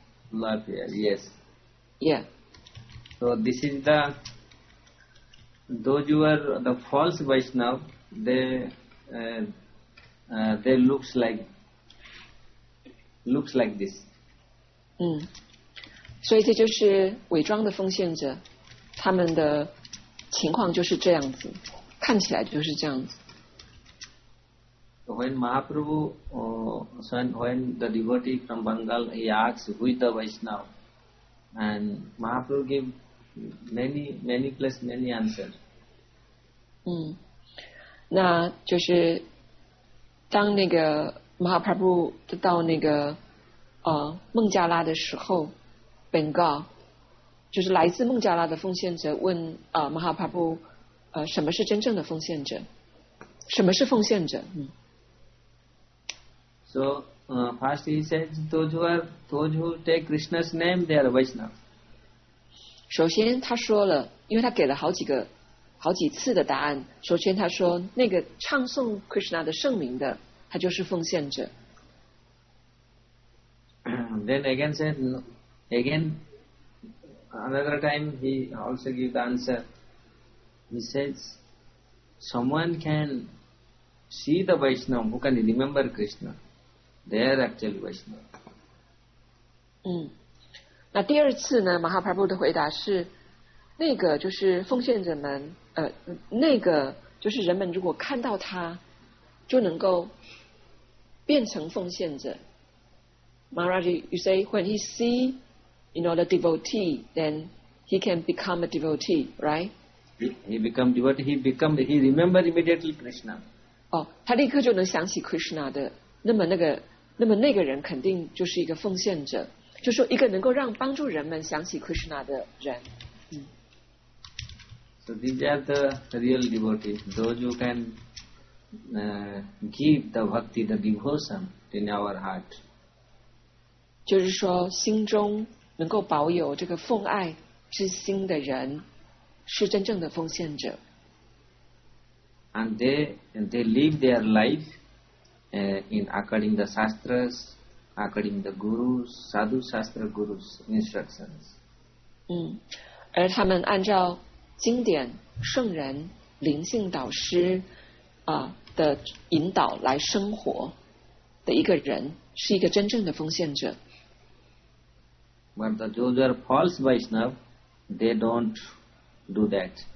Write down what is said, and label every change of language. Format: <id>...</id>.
<en>Live air, yes. Yeah. So this is those who are the false Vaishnav, they looks like this.</en> <zh>所以这就是伪装的奉献者，他们的情况就是这样子，看起来就是这样子。</zh> <en>When Mahaprabhu, when the devotee from Bengal, he asks who is the Vaishnav, and Mahaprabhu gave many, many plus many answers.</en> <zh>那就是当那个 Mahaprabhu 到那个孟加拉的时候 ，Bengal， 就是来自孟加拉的奉献者问Mahaprabhu， 什么是真正的奉献者？什么是奉献者？</zh> <en>So, first he says, those who take Krishna's name, they are Vaishnava.</en> <zh>首先他说了，因为他给了好几次的答案，首先他说那个唱诵 Krishna 的圣名的他就是奉献者。</zh> <en>Then again said, again, another time he also gave the answer. He says, someone can see the Vaishnava who can remember Krishna. They are actually Vaishnava.</en> <zh>那第二次呢，马哈帕布的回答是，那个就是奉献者们，那个就是人们如果看到他，就能够变成奉献者。</zh> <en>Maharaj, you say when he see, you know, the devotee, then he can become a devotee, right? He become devotee. He remember immediately Krishna.</en> <zh>Oh, 他立刻就能想起 Krishna 的。那么那个人肯定就是一个奉献者，就说一个能够让帮助人们想起 Krishna 的人。</zh> <en>So these are the real devotees, those who can give the bhakti, the devotion in our heart.</en> <zh>就是说心中能够保有这个奉爱之心的人是真正的奉献者。</zh> <en>And they live their life in according the shastras, according the gurus, sadhu shastra gurus instructions.</en> <zh>而他们按照经典圣人灵性导师的引导来生活的一个人是一个真正的奉献者。</zh> <en>But those who are false Vaishnav, they don't do that.</en>